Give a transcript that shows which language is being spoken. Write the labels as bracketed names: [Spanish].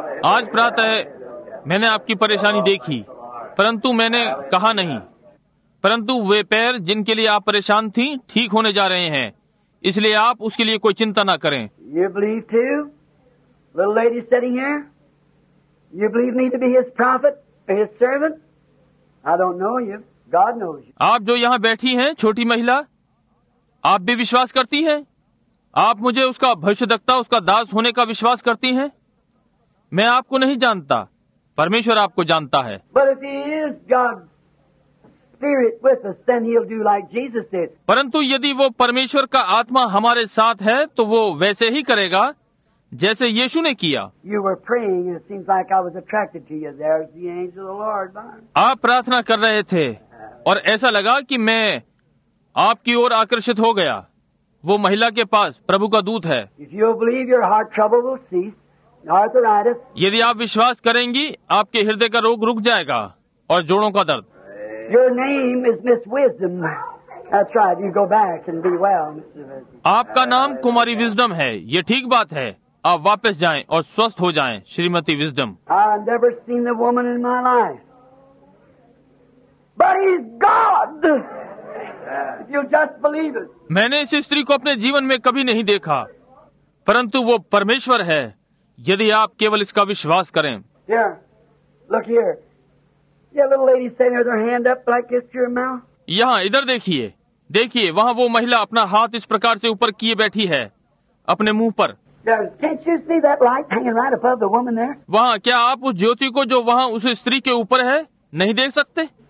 [Hindi] आज प्रातः मैंने आपकी परेशानी देखी, परंतु मैंने कहा नहीं। परंतु वे पैर जिनके लिए आप परेशान थीं ठीक होने जा रहे हैं, इसलिए आप उसके लिए कोई चिंता ना करें। [English] You believe too, little lady sitting here? You believe me to be his prophet, his servant? I don't know you. God knows you. [Hindi] आप जो यहाँ बैठी हैं, छोटी महिला, आप भी विश्वास करती हैं? आप मुझे उसका भविष्यद्वक्ता, उसका दास होने का विश्वास करती हैं? मैं आपको नहीं जानता, परमेश्वर आपको जानता है। [English] But if he is God's spirit with us, then he'll do like Jesus did. [Hindi] परंतु यदि वो परमेश्वर का आत्मा हमारे साथ है, तो वो वैसे ही करेगा जैसे यीशु ने किया। [English] You were praying, it seems like I was attracted to you. There's the angel of the Lord. [Hindi] आप प्रार्थना कर रहे थे और ऐसा लगा कि मैं आपकी ओर आकर्षित हो गया। वो महिला के पास प्रभु का दूत है। [English] If you believe your heart trouble will cease, arthritis. [Hindi] यदि आप विश्वास करेंगी, आपके हृदय का रोग रुक जाएगा और जोड़ों का दर्द। [English] Your name is Miss Wisdom. That's right. You go back and be well. [Hindi] आपका नाम कुमारी विजडम है। ये ठीक बात है। आप वापस जाएं और स्वस्थ हो जाएं, Shrimati wisdom. [English] I've never seen the woman in my life, but he's God. If you just believe it. [Hindi] मैंने इस स्त्री को अपने जीवन में कभी नहीं देखा, परंतु वो परमेश्वर है, यदि आप केवल इसका विश्वास करें। [English] Yeah, look here. Yeah, little lady standing with her hand up like this to your mouth. [Hindi] यहाँ इधर देखिए, देखिए वहाँ वो महिला अपना हाथ इस प्रकार से ऊपर किए बैठी है अपने मुंह पर। वहाँ क्या आप उस ज्योति को जो वहाँ उस स्त्री के ऊपर है नहीं देख सकते?